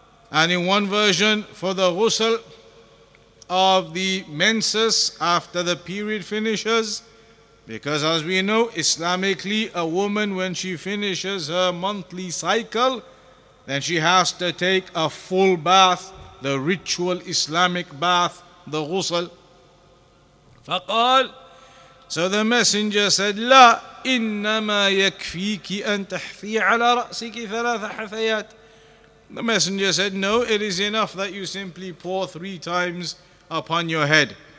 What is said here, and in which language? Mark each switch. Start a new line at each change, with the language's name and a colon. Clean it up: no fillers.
English: And in one version, for the ghusl of the menses after the period finishes. Because as we know, Islamically, a woman, when she finishes her monthly cycle, then she has to take a full bath, the ritual Islamic bath, the ghusl.
Arabic: فقال,
English: so the messenger said,
Arabic: لا إنما يكفيك أن تحثي على رأسك ثلاث حثيات.
English: The messenger said, no, it is enough that you simply pour three times upon your head.